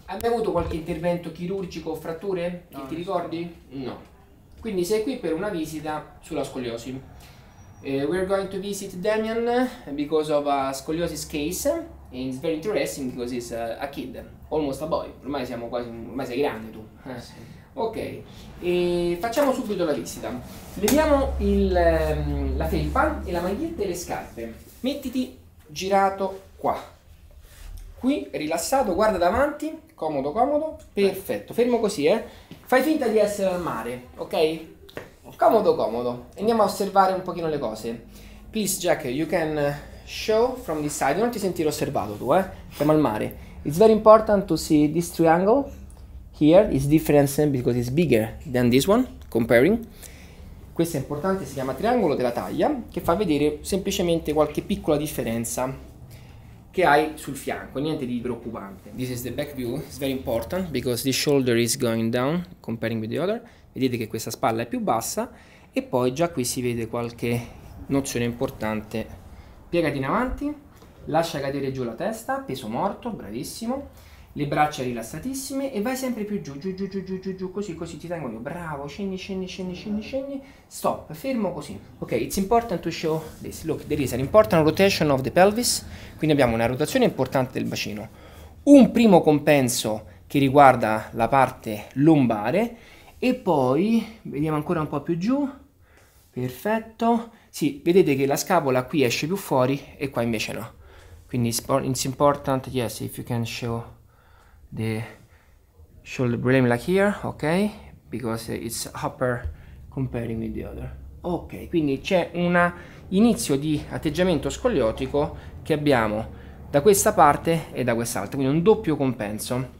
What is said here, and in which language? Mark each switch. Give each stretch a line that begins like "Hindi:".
Italian: Hai mai avuto qualche intervento chirurgico o fratture? No, che ti ricordi? No. Quindi sei qui per una visita sulla scoliosi.
English: We're going to visit Damian because of a scoliosis case. And it's very interesting because he's a kid, almost a boy.
Italian: Ormai siamo quasi, ormai sei grande tu. Sì. Ok, e facciamo subito la visita. Vediamo la felpa e la maglietta e le scarpe. Mettiti girato qua. Qui, rilassato, guarda davanti, comodo, comodo, perfetto, fermo così, eh? Fai finta di essere al mare, ok? Comodo, comodo. Andiamo a osservare un pochino le cose.
English: Please, Jack, you can show from this side.
Italian: Non ti sentire osservato tu, eh? Siamo al mare.
English: It's very important to see this triangle here. It's different because it's bigger than this one, comparing.
Italian: Questo è importante, si chiama triangolo della taglia, che fa vedere semplicemente qualche piccola differenza che hai sul fianco, niente di preoccupante.
English: This is the back view, it's very important because the shoulder is going down comparing with the other.
Italian: Vedete che questa spalla è più bassa e poi già qui si vede qualche nozione importante. Piegati in avanti, lascia cadere giù la testa, peso morto, bravissimo. Le braccia rilassatissime e vai sempre più giù, giù, giù, giù, giù, giù, giù, così, così ti tengo io. Bravo, scendi, scendi, scendi, scendi, scendi. Stop, fermo così.
English: Ok, it's important to show this. Look, there is an important rotation of the pelvis.
Italian: Quindi abbiamo una rotazione importante del bacino. Un primo compenso che riguarda la parte lombare. E poi, vediamo ancora un po' più giù. Perfetto. Sì, vedete che la scapola qui esce più fuori e qua invece no. Quindi
English: it's important, yes, if you can show the shoulder blame like here, ok, because it's upper comparing with the other.
Italian: Ok, quindi c'è un inizio di atteggiamento scoliotico che abbiamo da questa parte e da quest'altra, quindi un doppio compenso.